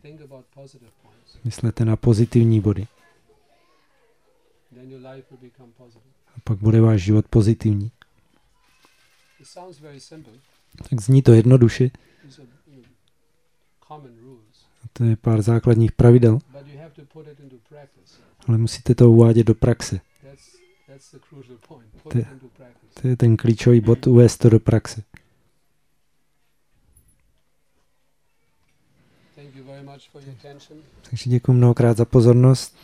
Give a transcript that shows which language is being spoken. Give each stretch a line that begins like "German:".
English: Think about positive points.
Czech: Myslete na pozitivní body.
English: Then your life will become positive.
Czech: A pak bude váš život pozitivní.
English: It sounds very simple.
Czech: Tak zní to jednoduše.
English: These are common rules.
Czech: A to je pár základních pravidel.
English: But you have to put it into practice.
Czech: Ale musíte to uvádět do praxe.
English: That's the crucial point. Put it into practice.
Czech: To je ten klíčový bod, uvést to do praxe.
English: Thank you very much for your attention.
Czech: Takže děkuji mnohokrát za pozornost.